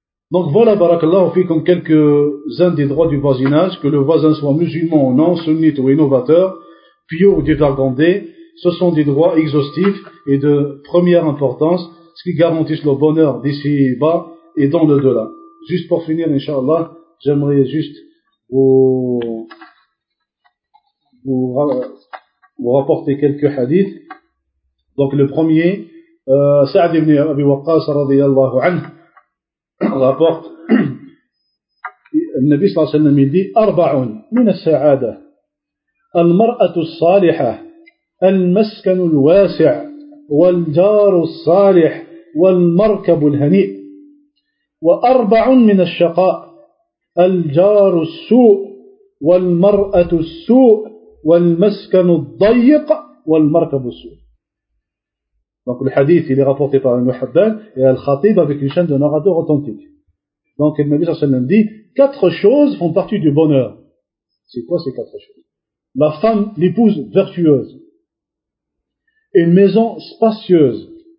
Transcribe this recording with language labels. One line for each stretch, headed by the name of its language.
French: Donc voilà, barakallahu fikum, quelques-uns des droits du voisinage, que le voisin soit musulman ou non, sunnite ou innovateur, pieux ou débardandé, ce sont des droits exhaustifs et de première importance, ce qui garantissent le bonheur d'ici-bas et dans le delà. Juste pour finir, inshallah, j'aimerais juste vous rapporter quelques hadiths. Donc le premier, Sa'd ibn Abi Waqqas radiyallahu anhu, rapporte,
Arabic: النبي صلى الله عليه وسلم dit أربع من السعادة المرأة الصالحة المسكن الواسع والجار الصالح والمركب الهنيء وأربع من الشقاء الجار السوء والمرأة السوء والمسكن الضيق والمركب السوء.
French: Donc le hadith, il est rapporté par un muhaddan et al-khatib avec une chaîne de narrateurs authentiques. Donc le Nabi sallallahu alayhi wa sallam dit, quatre choses font partie du bonheur. C'est quoi ces quatre choses? La femme, l'épouse vertueuse. Une maison spacieuse.